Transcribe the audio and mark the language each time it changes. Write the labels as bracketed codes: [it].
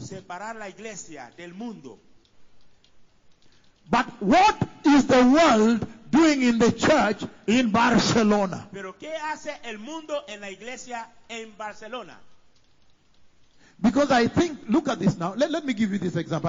[es] Separar la iglesia del mundo. [en] But what is the world doing in the church in Barcelona? [es] Pero qué hace el mundo en la iglesia en Barcelona? [en] Because I think, look at this now. Let me give you this example.